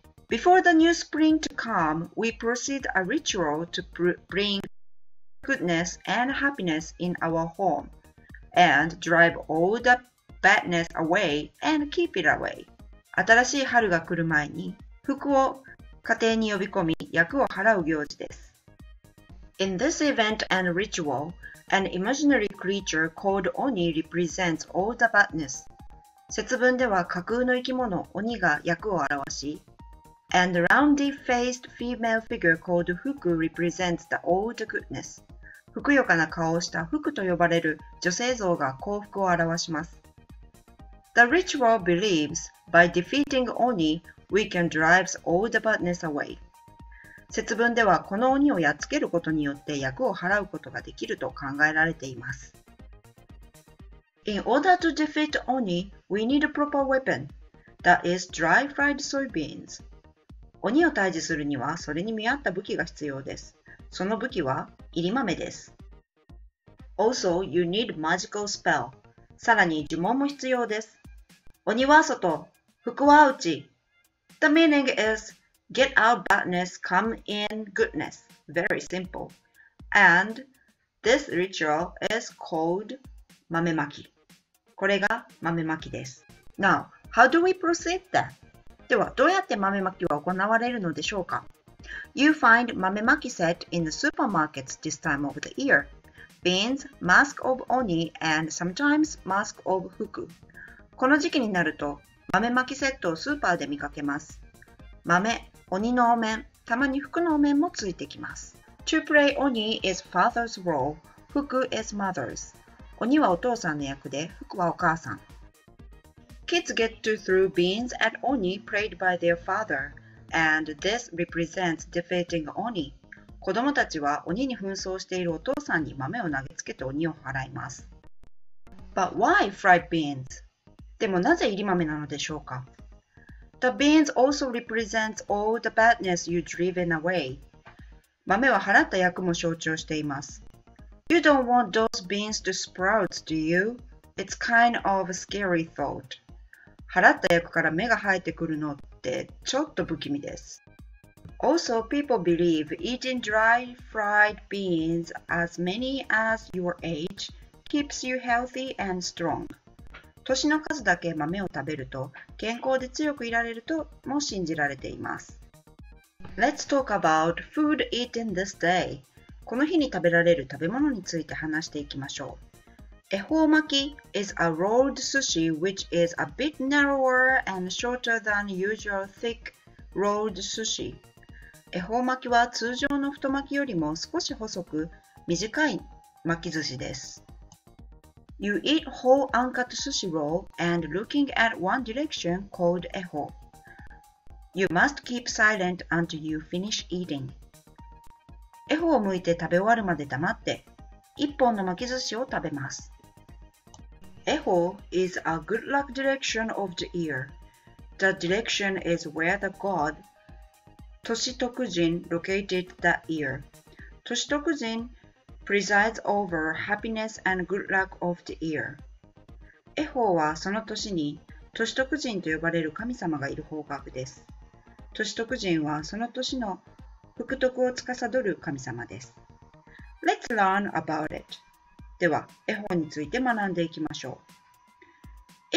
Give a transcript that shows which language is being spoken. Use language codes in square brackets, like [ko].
[en] Before the new spring to come, we proceed a ritual to bring goodness and happiness in our home and drive all the badness away and keep it away. [ja] 新しい春が来る前に、福を家庭に呼び込み、厄を払う行事です。 [en] In this event and ritual, an imaginary creature called Oni represents all the badness. [ja] 節分では架空の生き物、鬼が役を表し、 [en] And a roundy-faced female figure called Fuku represents the old goodness. [ja] ふくよかな顔をした Fuku と呼ばれる女性像が幸福を表します。 [en] The ritual believes, by defeating Oni, we can drive all the badness away. [ja] 節分ではこの鬼をやっつけることによって役を払うことができると考えられています。 [en] In order to defeat Oni, we need a proper weapon, that is dry-fried soybeans. [ja] 鬼を退治するには、それに見合った武器が必要です。その武器は、いり豆です。 [en] Also, you need magical spell. [ja] さらに呪文も必要です。鬼は外、福は内。 [en] The meaning is, get out badness, come in goodness. Very simple. And this ritual is called 豆まき。 [ja] これが豆まきです。 [en] Now, how do we proceed then? [ja] では、どうやって豆まきは行われるのでしょうか? [en] You find 豆まき set in the supermarkets this time of the year. Beans, mask of Oni, and sometimes mask of Fuku. [ja] この時期になると、豆まきセットをスーパーで見かけます。豆、鬼のお面、たまに服のお面もついてきます。 [en] To play Oni is father's role, Fuku is mother's. [ja] 鬼はお父さんの役で、福はお母さん。 [en] Kids get to throw beans at Oni played by their father, and this represents defeating Oni. [ja] 子供たちは鬼に扮装しているお父さんに豆を投げつけて鬼を払います。 [en] But why fried beans? [ja] でもなぜ煎り豆なのでしょうか? [en] The beans also represents all the badness you've driven away. [ja] 豆は払った役も象徴しています。 [en] You don't want those beans to sprout, do you? It's kind of a scary thought. [ja] 払った役から芽が生えてくるのってちょっと不気味です。 [en] Also, people believe eating dry fried beans as many as your age keeps you healthy and strong. [ja] 年の数だけ豆を食べると健康で強くいられるとも信じられています。 [en] Let's talk about food eaten this day. [ja] この日に食べられる食べ物について話していきましょう。 [en] 恵方巻き is a rolled sushi which is a bit narrower and shorter than usual thick rolled sushi. [ja] 恵方巻きは通常の太巻きよりも少し細く短い巻き寿司です。 [en] You eat whole uncut sushi roll and looking at one direction called 恵方。 You must keep silent until you finish eating. [ja] 恵方を向いて食べ終わるまで黙って、一本の巻き寿司を食べます。 [en] 恵方 is a good luck direction of the year. The direction is where the god, 歳徳神 located the year. 歳徳神 presides over happiness and good luck of the year. [ja] 恵方はその年に、歳徳神と呼ばれる神様がいる方角です。歳徳神はその年の福徳を司る神様です。 [en] Let's learn about it. [ja] では、恵方について学んでいきましょう。